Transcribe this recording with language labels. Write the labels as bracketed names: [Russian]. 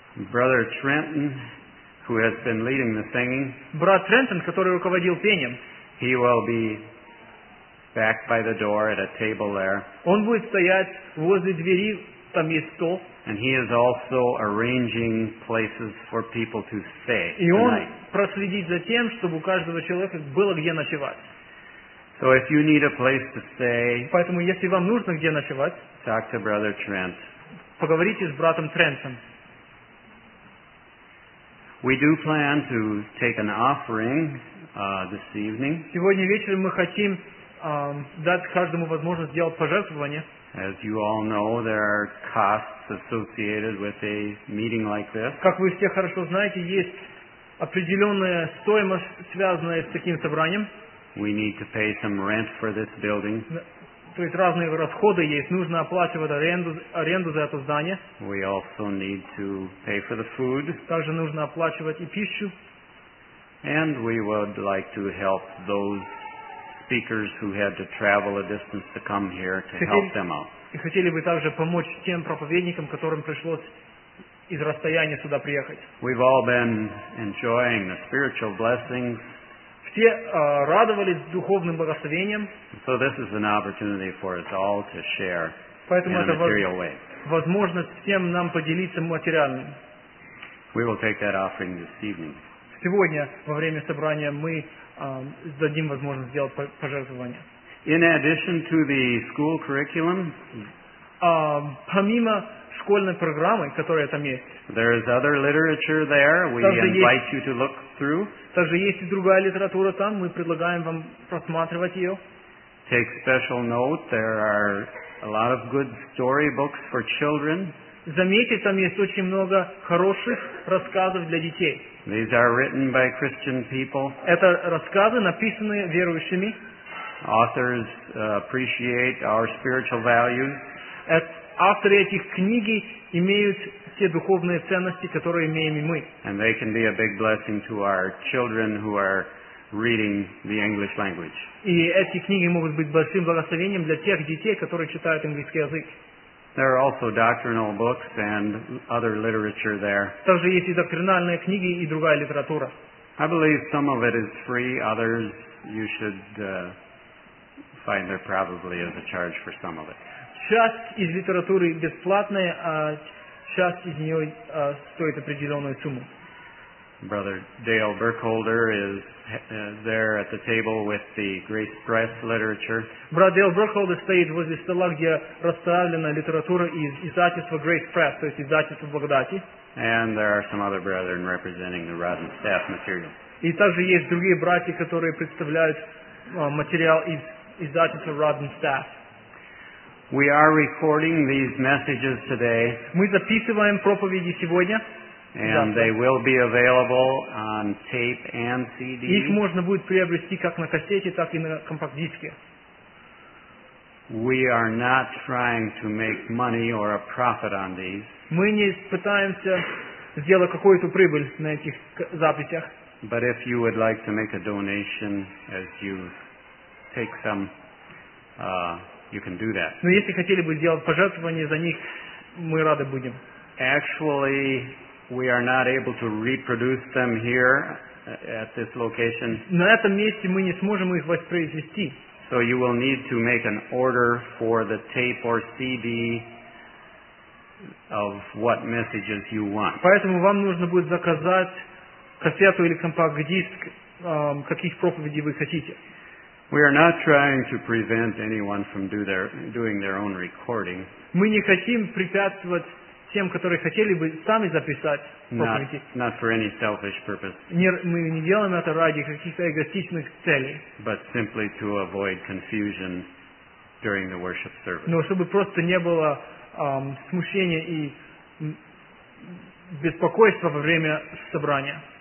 [English] Brother Trenton, who has been leading the singing. [Russian] Брат Трентон, который руководил пением. [English] He will be back by the door at a table there. [Russian] Он будет стоять возле двери. [English] And he is also arranging places for people to stay tonight. [Russian] И он проследит за тем, чтобы у каждого человека было где ночевать. [English] So if you need a place to stay, [Russian] поэтому если вам нужно где ночевать, [English] talk to Brother Trent. [Russian] Поговорите с братом Трентом. [English] We do plan to take an offering this evening. [Russian] Сегодня вечером мы хотим дать каждому возможность сделать пожертвование. [English] As you all know, there are costs associated with a meeting like this. [Russian] Как вы все хорошо знаете, есть определенная стоимость, связанная с таким собранием. [English] We need to pay some rent for this building. [Russian] То есть разные расходы есть, нужно оплачивать аренду за это здание. [English] We also need to pay for the food. [Russian] Также нужно оплачивать и пищу. [English] And we would like to help those speakers who had to travel a distance to come here to help them out. [Russian] И хотели бы также помочь тем проповедникам, которым пришлось из расстояния сюда приехать. [English] We've all been enjoying the spiritual blessings. [Russian] Все радовались духовным благословениям. [English] So this is an opportunity for us all to share. [Russian] Поэтому [English] in a material way. [Russian] Возможность всем нам поделиться материальным. [English] We will take that offering this evening. [Russian] Сегодня во время собрания мы дадим возможность сделать пожертвование. [English] In addition to the school curriculum, [Russian] помимо школьной программы, которая там есть, [English] there is other literature there. We invite you to look through. [Russian] Также есть и другая литература там. Мы предлагаем вам просматривать ее. [English] Take special note. There are a lot of good storybooks for children. [Russian] Заметьте, там есть очень много хороших рассказов для детей. [English] These are written by Christian people. [Russian] Это рассказы, написанные верующими. [English] Authors appreciate our spiritual values. [Russian] Авторы этих книг имеют все духовные ценности, которые имеем и мы. [English] And they can be a big blessing to our children who are reading the English language. [Russian] И эти книги могут быть большим благословением для тех детей, которые читают английский язык. [English] There are also doctrinal books and other literature there. [Russian] Также есть и доктринальные книги и другая литература. [English] I believe some of it is free. Others you should find there probably is a charge for some of it. [Russian] Часть из литературы бесплатная, а часть из нее стоит определенную сумму. [English] Brother Dale Burkholder is there at the table with the Grace Press literature. [Russian] Брат Дейл Бёркхолдер стоит возле стола, где расставлена литература из издательства Grace Press, то есть издательства Благодати. [English] And there are some other brethren representing the rod and staff material. [Russian] И также есть другие братья, которые представляют материал из издательства Rod and Staff. [English] We are recording these messages today. [Russian] Мы записываем проповеди сегодня. [English] And they will be available on tape and CD. [Russian] Их можно будет приобрести как на кассете, так и на компакт-диске. [English] We are not trying to make money or a profit on these. [Russian] Мы не пытаемся сделать какую-то прибыль на этих записях. [English] But if you would like to make a donation as you take some, you can do that. [Russian] Но если хотели бы сделать пожертвование за них, мы рады будем. [English] Actually, we are not able to reproduce them here at this location. [Russian] На этом месте мы не сможем их воспроизвести. [English] So you will need to make an order for the tape or CD of what messages you want. [Russian] Поэтому вам нужно будет заказать кассету или компакт-диск, каких проповедей вы хотите. [English] We are not trying to prevent anyone from doing their own recording. [Russian] Мы не хотим препятствовать тем, которые хотели бы сами записать проповеди. [English] Not for any selfish purpose. [Russian] Мы не делаем это ради каких-то эгоистичных целей. [English] But simply to avoid confusion during the worship service. [Russian] Но чтобы просто не было смущения и беспокойства во время собрания.